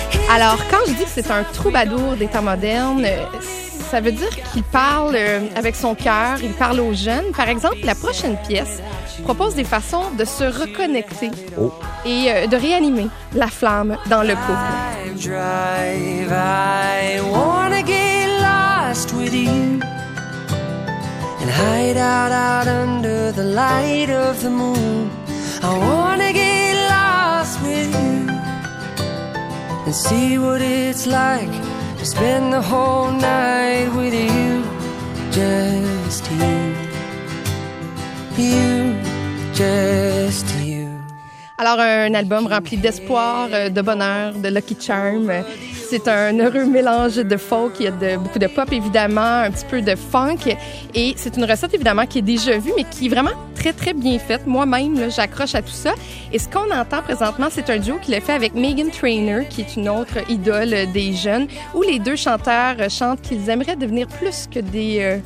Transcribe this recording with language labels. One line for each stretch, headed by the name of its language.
French: Alors, quand je dis que c'est un troubadour d'état moderne, ça veut dire qu'il parle avec son cœur, il parle aux jeunes. Par exemple, la prochaine pièce propose des façons de se reconnecter et de réanimer la flamme dans le couple.
English: I wanna get lost with you and hide out under the light of the moon. I wanna get lost with you. And see what it's like to spend the whole night with you, just you, you, just you.
French: Alors, un album rempli d'espoir, de bonheur, de Lucky Charm. C'est un heureux mélange de folk, il y a beaucoup de pop évidemment, un petit peu de funk, et c'est une recette évidemment qui est déjà vue, mais qui est vraiment très très bien faite. Moi-même, là, j'accroche à tout ça. Et ce qu'on entend présentement, c'est un duo qu'il a fait avec Meghan Trainor, qui est une autre idole des jeunes, où les deux chanteurs chantent qu'ils aimeraient devenir plus que des,